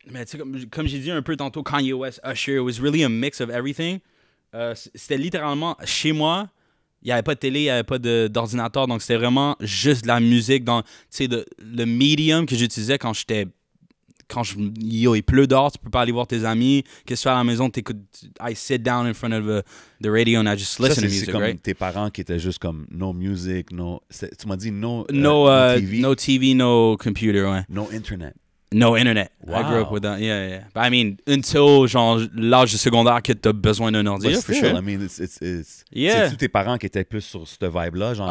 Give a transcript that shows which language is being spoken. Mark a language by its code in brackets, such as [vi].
[fr] Mais tu sais, comme j'ai dit un peu tantôt, Kanye West, Usher, [en] it was really a mix of everything. [fr] C'était littéralement chez moi, il n'y avait pas de télé, il n'y avait pas d'ordinateur, donc c'était vraiment juste de la musique. Tu sais, le medium que j'utilisais quand j'étais. Yo, il pleut dehors, tu ne peux pas aller voir tes amis. Qu'est-ce que tu fais à la maison? [en] I sit down in front of the radio and I just listen to music. [fr] C'est comme [en] right? [fr] tes parents qui étaient juste comme [en] no music, no. [fr] Tu m'as dit no. [en] No TV, no computer, ouais. No internet. No internet. Wow. I grew up without, But I mean, until [fr] genre l'âge secondaire que t'as besoin d'un ordi, [en] for sure. I mean, it's yeah. [fr] C'est tous tes parents qui étaient plus sur cette vibe-là, genre,